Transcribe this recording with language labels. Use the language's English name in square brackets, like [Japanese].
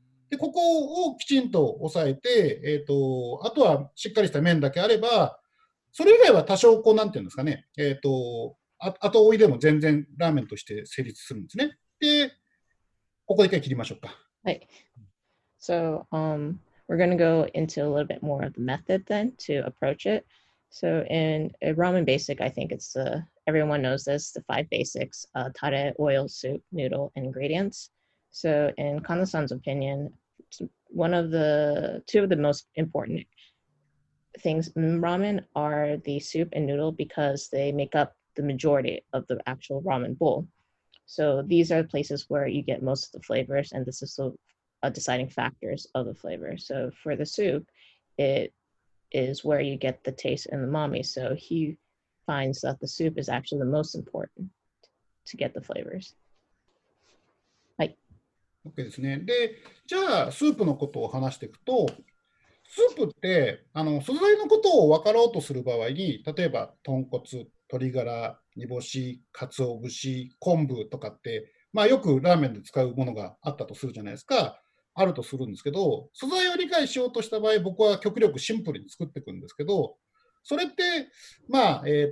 [Japanese] で、ここをきちんと押さえて、あとはしっかりした麺だけあれば、それ以外は多少こう、なんていうんですかね、後追いでも全然ラーメンとして成立するんですね。で、ここで一回切りましょうか。はい。 [English] So, we're going to go into a little bit more of the method then to approach it. So, in a ramen basic, I think it's everyone knows this, the five basics, tare, oil, soup, noodle, ingredients. So, in Kana-san's opinion, two of the most important things in ramen are the soup and noodle because they make up the majority of the actual ramen bowl. So these are the places where you get most of the flavors, and this is a deciding factors of the flavor. So for the soup, it is where you get the taste and the umami. So he finds that the soup is actually the most important to get the flavors. [Japanese] はい。 OK ですね。で、じゃあスープのことを話していくと、スープって素材のことを分かろうとする場合に、例えば豚骨、鶏ガラ、煮干し、かつお節、昆布とかって、まあよくラーメンで使うものがあったとするじゃないですか、あるとするんですけど、素材を理解しようとした場合、僕は極力シンプルに作っていくんですけど、それって、まあ、